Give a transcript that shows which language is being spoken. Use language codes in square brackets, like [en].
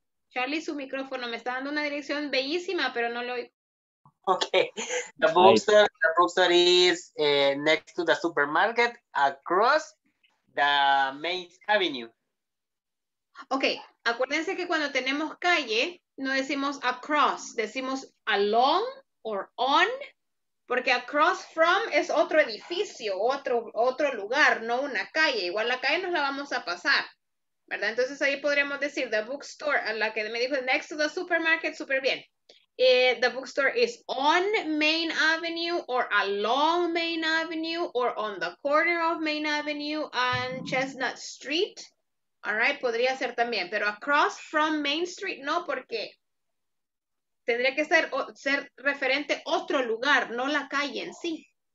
[es] Charlie, su micrófono me está dando una dirección bellísima, pero no lo oigo. [en] Okay, the bookstore is next to the supermarket across the main avenue. [es] Okay, acuérdense que cuando tenemos calle, no decimos across, decimos along or on, porque across from es otro edificio, otro lugar, no una calle. Igual la calle nos la vamos a pasar, ¿verdad? Entonces ahí podríamos decir the bookstore, a la que me dijo [en] next to the supermarket, [es] súper bien. [en] The bookstore is on Main Avenue or along Main Avenue or on the corner of Main Avenue and Chestnut Street. All right, [es] podría ser también, pero across from Main Street no, porque tendría que ser referente a otro lugar, no la calle en sí.